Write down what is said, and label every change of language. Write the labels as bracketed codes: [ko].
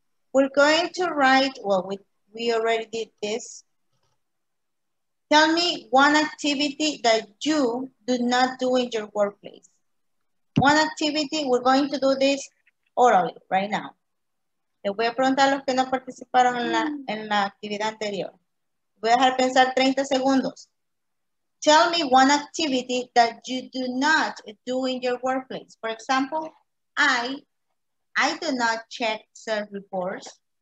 [en] We're going to write, well, we already did this. Tell me one activity that you do not do in your workplace. One activity, we're going to do this orally, right now. [es] Le voy a preguntar a los que no participaron en la actividad anterior. Voy a dejar pensar 30 segundos. [en] Tell me one activity that you do not do in your workplace. For example, I do not check sales reports.